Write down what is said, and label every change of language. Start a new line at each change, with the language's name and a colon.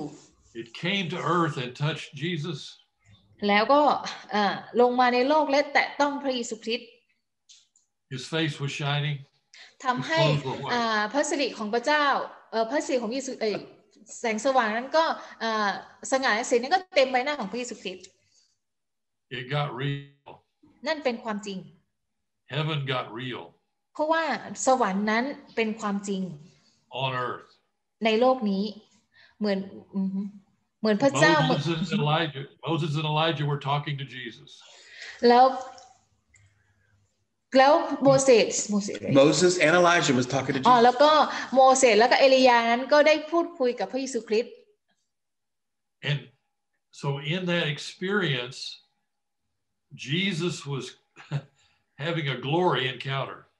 English: It came to earth and touched Jesus.
Thai: แล้วก็ลงมาในโลกและแตะต้องพระเยซูคริสต์
English: His face was shining
Thai: ทำให้พระสิริของพระเจ้าพระสิริของพระเยซูแสงสว่างนั้นก็สง่าและสีนั้นก็เต็มใบหน้าของพระเยซูคริสต์
English: It got real
Thai: นั่นเป็นความจริง
English: Heaven got real
Thai: เพราะว่าสวรรค์นั้นเป็นความจริง
English: On earth
Thai: ในโลกนี้เหมือนพระเจ้า
English: Moses and Elijah were talking to Jesus.
Thai: แล้ว
English: Moses and Elijah was talking to Jesus.
Thai: แล้วก็โมเสสแล้วก็เอลียานั้นก็ได้พูดคุยกับพระเยซูคริสต์
English: And so in that experience Jesus was having a glory encounter.